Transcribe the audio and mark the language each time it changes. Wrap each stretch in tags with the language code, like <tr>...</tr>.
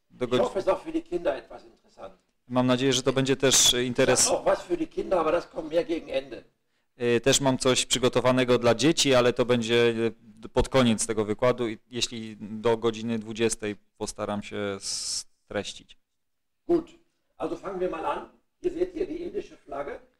<de>Ich hoffe, es ist auch für die Kinder etwas interessant.</de> <pl>Mam nadzieję, że to będzie też interesujące.</pl> <de>Auch was für die Kinder, aber das kommt mehr gegen Ende.</de> <pl>Też mam coś przygotowanego dla dzieci, ale to będzie pod koniec tego wykładu, jeśli do godziny 20 postaram się streścić.</pl> <de>Gut, also fangen wir mal an. Ihr seht hier die indische Flagge.</de>